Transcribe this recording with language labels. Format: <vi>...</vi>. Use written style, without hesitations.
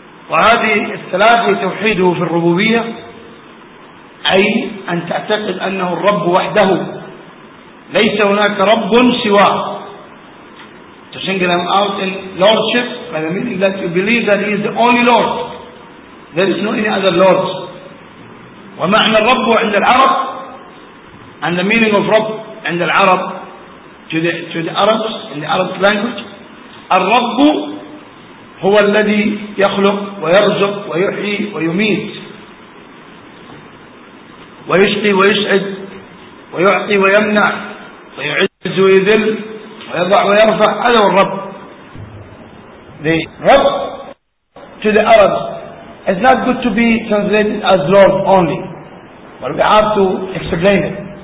<ar>وهذه الثلاثة توحيده في الربوبية, أي أن تعتقد أنه الرب وحده, ليس هناك رب سواه.</ar> <en>To single him out in lordship, by the meaning that you believe that he is the only lord, there is no any other lord.</en> <ar>ومعنى الرب عند العرب,</ar> <en>and the meaning of</en> <ar>رب عند العرب,</ar> <en>to the Arabs, in the Arabic language,</en> <ar>الرب هو الذي يخلق ويرزق ويحيي ويميت ويشقي ويسعد ويعطي ويمنع ويعز ويذل ويضع ويرفع, هذا هو الرب.</ar> <en>The رب to the Arabs is not good to be translated as Lord only, but we have to explain it.</en>